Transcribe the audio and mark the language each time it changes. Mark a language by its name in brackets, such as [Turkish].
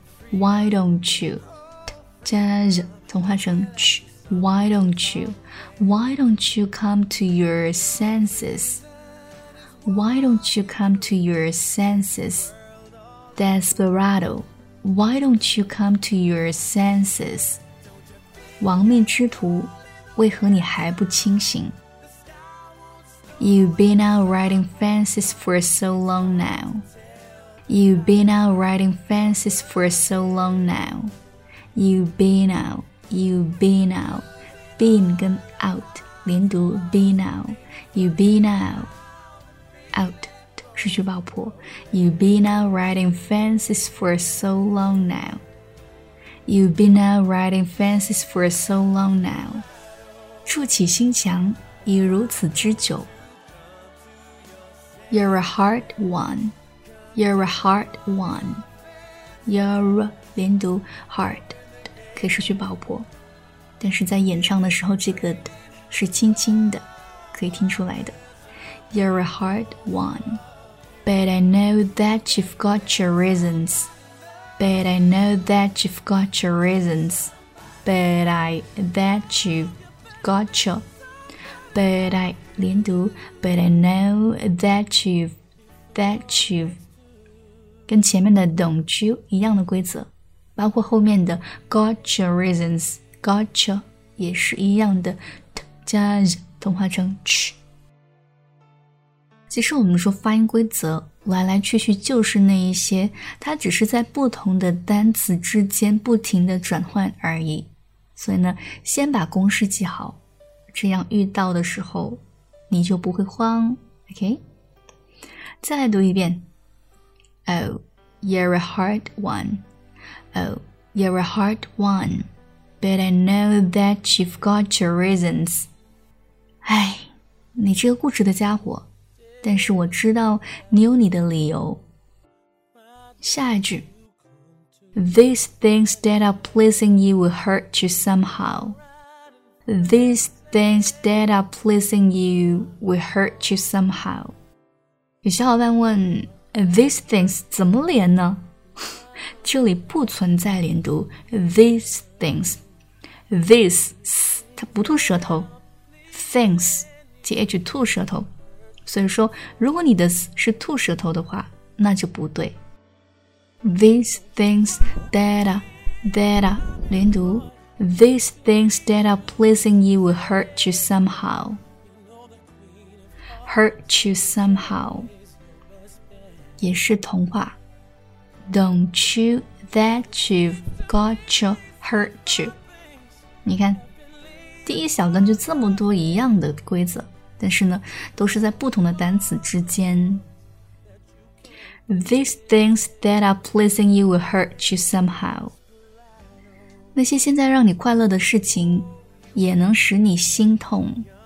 [English] Why don't you [Chinese] 加热同化成 [English] ch, Why don't you Why don't you come to your sensesWhy don't you come to your senses? Desperado, why don't you come to your senses? [Chinese] 亡命之徒，为何你还不清醒？ [English] You've been out riding fences for so long now. You've been out riding fences for so long now. You've been out, you've been out. Been 跟 out, 连读 been out. You've been out. Out [Chinese] 失去爆破。 [English] You've been out riding fences for so long now. You've been out riding fences for so long now. [Chinese] 筑起心墙已如此之久。 [English] You're a hard one. You're a hard one. [Chinese] You're 连读 hard 可以失去爆破，但是在演唱的时候这个是轻轻的，可以听出来的。 [English] You're a hard one. But I know that you've got your reasons. But I know that you've got your reasons. But I, that you've got your. But I, 连读 But I know that you've, that you've. [Chinese] 跟前面的 don't you 一样的规则，包括后面的 got your reasons, got your, 也是一样的 t 加 z, 同化成 ch. 其实我们说发音规则来来去去就是那一些，它只是在不同的单词之间不停的转换而已。所以呢，先把公式记好，这样遇到的时候你就不会慌。 OK， 再来读一遍。 [English] Oh, you're a hard one. Oh, you're a hard one. But I know that you've got your reasons. [Chinese] 哎，你这个固执的家伙，但是我知道你有你的理由。下一句 [English] These things that are pleasing you will hurt you somehow. These things that are pleasing you will hurt you somehow. [Chinese] 有小伙伴问 These things 怎么连呢？这里不存在连读 These things This 它不吐舌头 Things TH 吐舌头，所以说如果你的是吐舌头的话那就不对。 [English] These things that are 连读 These things that are pleasing you will hurt you somehow. Hurt you somehow. [Chinese] 也是童话 [English] Don't you that you've got to hurt you. [Chinese] 你看第一小段就这么多一样的规则但是呢都是在不同的单词之间 [English] These things that are pleasing you will hurt you somehow. [Chinese] 那些现在让你快乐的事情也能使你心痛。